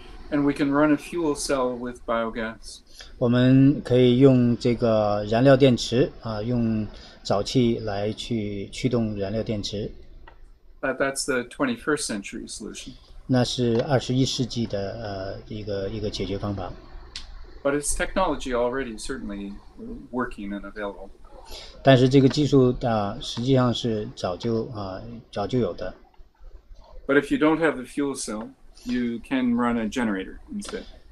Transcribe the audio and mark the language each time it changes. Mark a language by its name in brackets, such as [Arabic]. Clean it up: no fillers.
[English] And we can run a fuel cell with biogas. [Chinese] 我们可以用这个燃料电池,用沼气来去驱动燃料电池。 [English] That's the 21st century solution. [Chinese] 那是21世纪的一个解决方法。 [English] But it's technology already certainly working and available. [Chinese] 但是这个技术实际上是早就有的。 [English] But if you don't have the fuel cell, you can run a generator instead.